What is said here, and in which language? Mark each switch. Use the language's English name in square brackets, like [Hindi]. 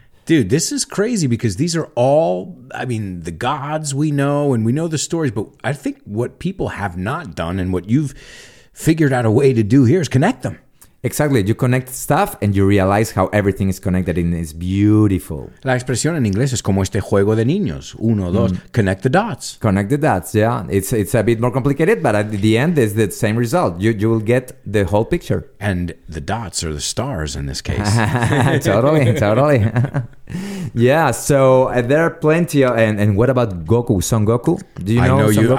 [English] Dude, this is crazy because these are all, I mean, the gods we know and we know the stories, but I think what people have not done and what you've figured out a way to do here is connect them. Exactly. You connect stuff and you realize how everything is connected and it's beautiful. [Spanish] La expresión en inglés es como este juego de niños. Uno, dos. [English] Connect the dots. Connect the dots, yeah. It's a bit more complicated, but at the end, it's the same result. You will get the whole picture. And the dots are the stars in this case. Totally, totally. Yeah, so there are plenty of... And what about Goku, Son Goku? Do you know Son Goku?